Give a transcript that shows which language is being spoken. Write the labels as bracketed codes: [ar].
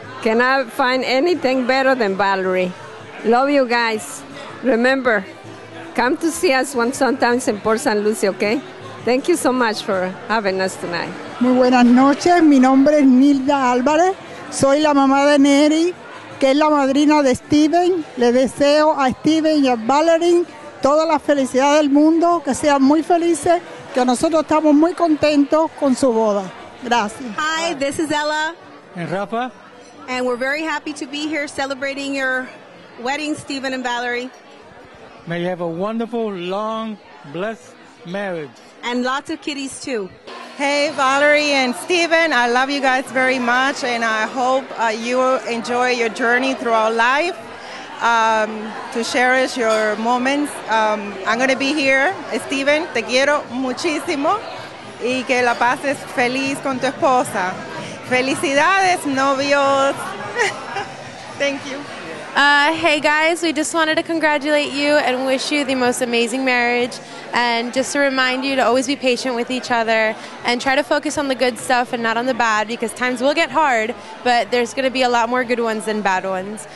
[en] Can I find anything better than Valerie? Love you guys. Remember, come to see us once sometimes in Port San Lucie, okay? Thank you so much for having us tonight. [es] Muy buenas noches. Mi nombre es Nilda Álvarez. Soy la mamá de Neri, que es la madrina de Steven. Le deseo a Steven y a Valerie toda la felicidad del mundo, que sean muy felices, que nosotros estamos muy contentos con su boda. Gracias. [en] Hi, this is Ella. And Rafa. And we're very happy to be here celebrating your wedding, Steven and Valerie. May you have a wonderful, long, blessed marriage. And lots of kitties, too. Hey, Valerie and Steven, I love you guys very much, and I hope you enjoy your journey throughout life to cherish your moments. I'm going to be here. [es] Steven, te quiero muchísimo, y que la pases feliz con tu esposa. Felicidades, novios. [en] Thank you. Hey guys, we just wanted to congratulate you and wish you the most amazing marriage, and just to remind you to always be patient with each other and try to focus on the good stuff and not on the bad, because times will get hard, but there's going to be a lot more good ones than bad ones.